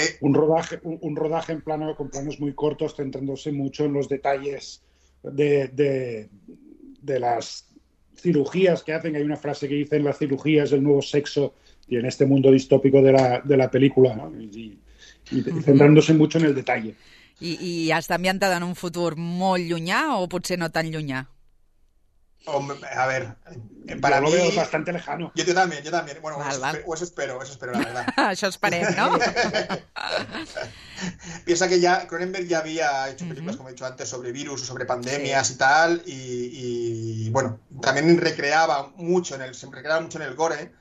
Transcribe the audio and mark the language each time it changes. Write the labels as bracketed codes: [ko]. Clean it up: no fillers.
[es] Un rodaje en plano con planos muy cortos, centrándose mucho en los detalles de las cirugías que hacen. Hay una frase que dicen: las cirugías, el nuevo sexo, y en este mundo distópico de la película, ¿no? Y centrándose mucho en el detalle. [ca] I està ambientada en un futur molt llunyà o potser no tan llunyà? [es] A ver, para yo lo mí... veo bastante lejano. Yo también. Bueno, eso espero, la verdad. [ca] Això esperem, ¿no? [es] Piensa que ya Cronenberg ya había hecho películas, como he dicho antes, sobre virus, sobre pandemias y tal, y bueno, también recreaba mucho en el gore,